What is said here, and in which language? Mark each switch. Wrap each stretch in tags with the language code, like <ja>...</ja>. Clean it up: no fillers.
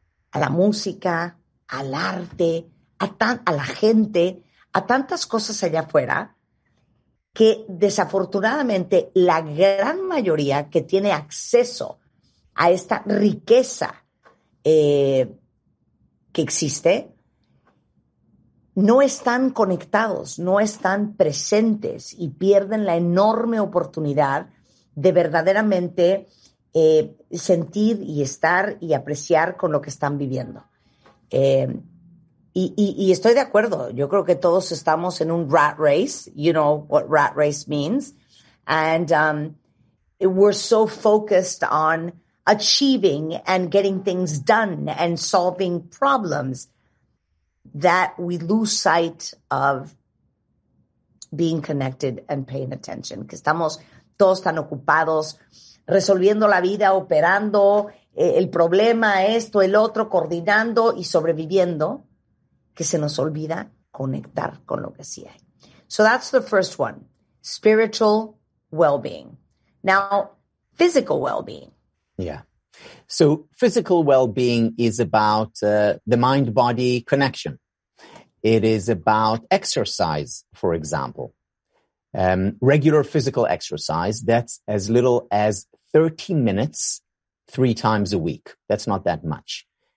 <es>A la música, al arte, a la gente, a tantas cosas allá afuera que desafortunadamente la gran mayoría que tiene acceso a esta riqueza que existe no están conectados, no están presentes y pierden la enorme oportunidad de verdaderamente sentir y estar y apreciar con lo que están viviendo. Y estoy de acuerdo, yo creo que todos estamos en un</es> <en>rat race, you know what rat race means, and we're so focused on achieving and getting things done and solving problems that we lose sight of being connected and paying attention.</en> <es>Que estamos todos tan ocupados resolviendo la vida, operando el problema, esto, el otro, coordinando y sobreviviendo, que se nos olvida conectar con lo que sí hay.</es> <en>So that's the first one, spiritual well-being. Now, physical well-being. Yeah. So physical well-being is about the mind-body connection. It is about exercise, for example. Regular physical exercise, that's as little as 30 minutes, 3 times a week. That's not that much.</en>